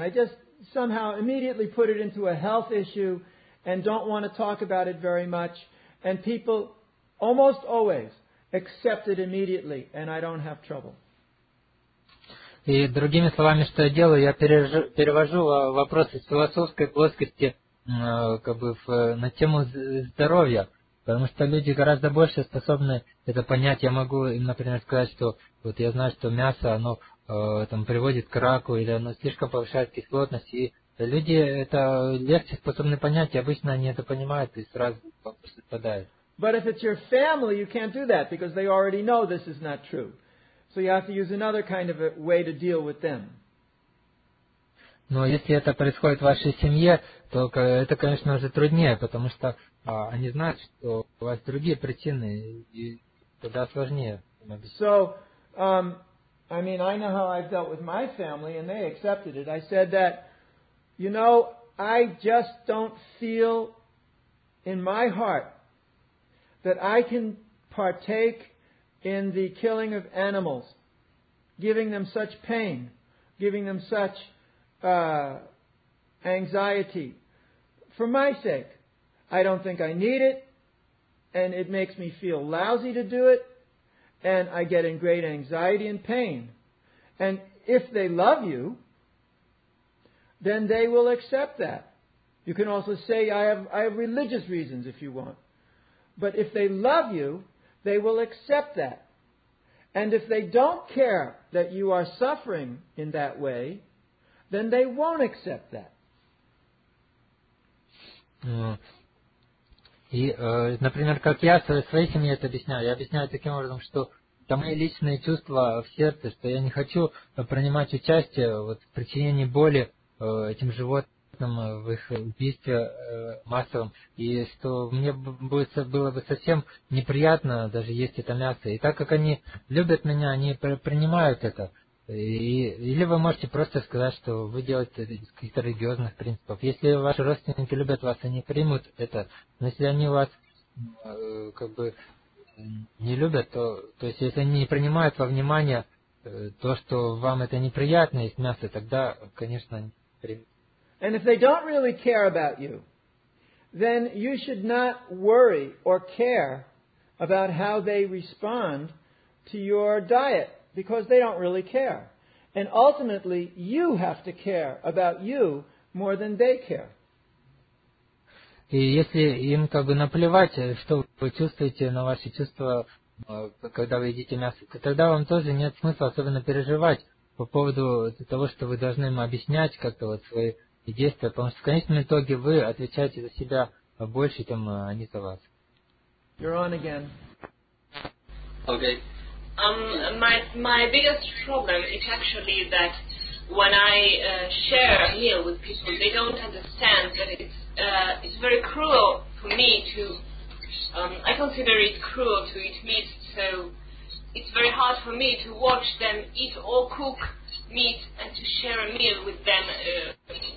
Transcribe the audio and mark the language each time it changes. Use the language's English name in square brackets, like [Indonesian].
[English] I just somehow immediately put it into a health issue and don't want to talk about it very much. And people almost always accept it immediately, and I don't have trouble. [Russian] И другими словами, что я делаю, я перевожу вопросы с философской плоскости как бы на тему здоровья, потому что люди гораздо больше способны это понять. Я могу им, например, сказать, что вот я знаю, что мясо, оно там приводит к раку, или оно слишком повышает кислотность, и люди это легче способны понять, и обычно они это понимают и сразу попадают. [English] But if it's your family, you can't do that, because they already know this is not true. So you have to use another kind of a way to deal with them. [Russian] Но если это происходит в вашей семье, то это, конечно, уже труднее, потому что они знают, что у вас другие причины, и тогда сложнее. [English] So, I mean, I know how I've dealt with my family, and they accepted it. I said that, you know, I just don't feel in my heart that I can partake in the killing of animals, giving them such pain, giving them such anxiety. For my sake, I don't think I need it, and it makes me feel lousy to do it, and I get in great anxiety and pain. And if they love you, then they will accept that. You can also say, I have religious reasons if you want. But if they love you, they will accept that. And if they don't care that you are suffering in that way, then they won't accept that. [Russian] И, например, как я своей семье это объясняю, я объясняю таким образом, что это мои личные чувства в сердце, что я не хочу принимать участие вот, в причинении боли этим животным, в их убийстве массовом, и что мне было бы совсем неприятно даже есть это мясо. И так как они любят меня, они принимают это. Или вы можете просто сказать, что вы делаете это из каких-то религиозных принципов. Если ваши родственники любят вас, они примут это. Но если они вас как бы не любят, то есть если они не принимают во внимание то, что вам это неприятно, есть мясо, тогда, конечно, они примут. [English] And if they don't really care about you, then you should not worry or care about how they respond to your diet, because they don't really care. And ultimately, you have to care about you more than they care. [Russian] И если им как бы наплевать, что вы чувствуете на ваши чувства, когда вы едите мясо, то тогда вам тоже нет смысла особенно переживать по поводу того, что вы должны им объяснять как-то вот свои действия, потому что в конечном итоге вы отвечаете за себя больше, чем они за вас. [English] You're on again. Okay. My biggest problem is actually that when I share a meal with people, they don't understand that it's very cruel for me to. I consider it cruel to eat meat, so it's very hard for me to watch them eat or cook meat and to share a meal with them.